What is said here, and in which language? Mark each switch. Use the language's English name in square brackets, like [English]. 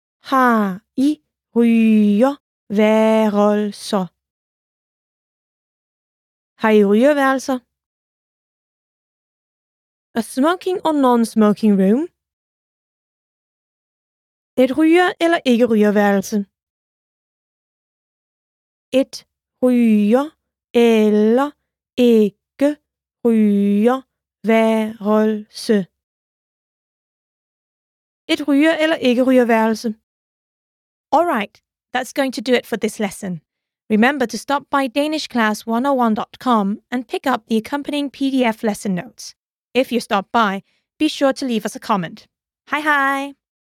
[Danish] Har I rygeværelser? Har I rygeværelser? [English] A smoking or non-smoking room? [Danish] Et ryger eller ikke rygeværelse? Et ryger eller ikke rygeværelse? Et ryger eller ikke rygeværelse? [English] All right, that's going to do it for this lesson. Remember to stop by danishclass101.com and pick up the accompanying PDF lesson notes. If you stop by, be sure to leave us a comment. Hi, hi!